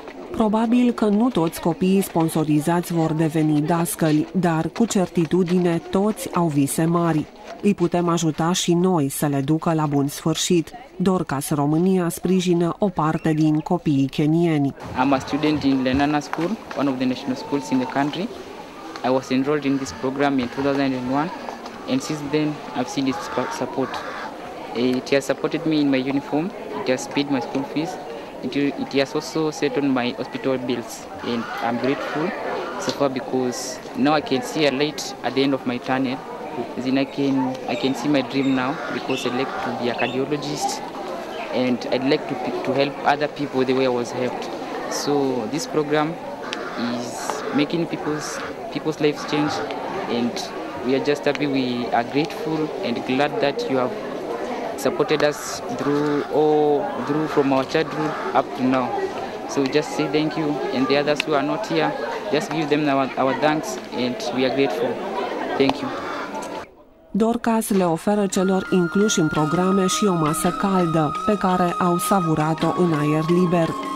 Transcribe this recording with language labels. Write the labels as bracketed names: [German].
[Romanian] Probabil că nu toți copiii sponsorizați vor deveni dascăli, dar cu certitudine toți au vise mari. Îi putem ajuta și noi să le ducă la bun sfârșit. Dorcas România sprijină o parte din copiii kenieni. [English] I'm a student in Lenana School, one of the national schools in the country. I was enrolled in this program in 2001 and since then I've seen its support. It has supported me in my uniform, it has paid my school fees. It has also settled my hospital bills and I'm grateful so far because now I can see a light at the end of my tunnel. As in I can see my dream now because I'd like to be a cardiologist and I'd like to help other people the way I was helped. So this program is making people's lives change and we are just happy, we are grateful and glad that you have supported us through from our childhood up to now. So we just say thank you and the others who are not here, just give them our thanks and we are grateful. Thank you. [Romanian] Dorcas le oferă celor incluși în programe și o masă caldă, pe care au savurat-o în aer liber.